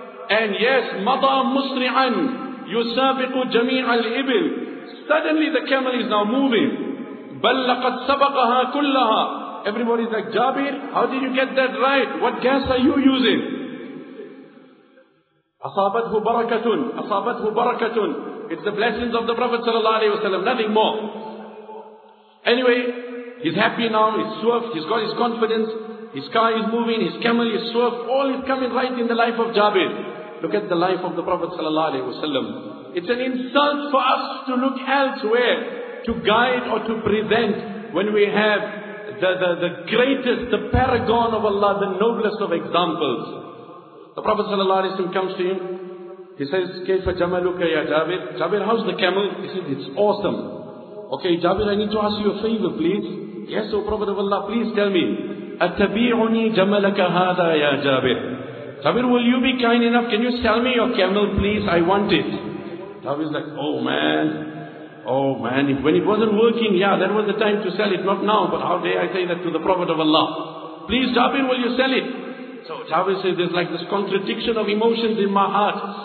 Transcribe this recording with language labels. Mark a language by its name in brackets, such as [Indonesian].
[English] And yes, [Arabic] مَضَى مُسْرِعًا يُسَابِقُ جَمِيعَ الْإِبِلِ. [English] Suddenly the camel is now moving. [Arabic] بَلْ لَقَدْ سَبَقَهَا كُلَّهَا. [English] Everybody's like, "Jabir, how did you get that right? What gas are you using?" [Arabic] أَصَابَتْهُ بَرَكَةٌ أَصَابَتْهُ بَرَكَةٌ. [English] It's the blessings of the Prophet sallallahu alaihi wasallam, nothing more. Anyway, he's happy now, he's swift, he's got his confidence, his car is moving, his camel is swift, all is coming right in the life of Jabir. Look at the life of the Prophet sallallahu alaihi wasallam. It's an insult for us to look elsewhere to guide or to present when we have the greatest, the paragon of Allah, the noblest of examples. The Prophet sallallahu alaihi wasallam comes to him. He says, [Arabic] "Kayfa jamaluka ya Jabir?" [English] "Jabir, how's the camel?" He says, "It's awesome." "Okay, Jabir, I need to ask you a favor, please." "Yes, O Prophet of Allah, please tell me." [Arabic] أتبيعني جملك هذا يا جابر؟ [English] Jabir, will you be kind enough? Can you sell me your camel, please? I want it. Jabir's like, oh man, when it wasn't working, yeah, that was the time to sell it. Not now, but how dare I say that to the Prophet of Allah? Please, Jabir, will you sell it? So Jabir says, there's like this contradiction of emotions in my heart.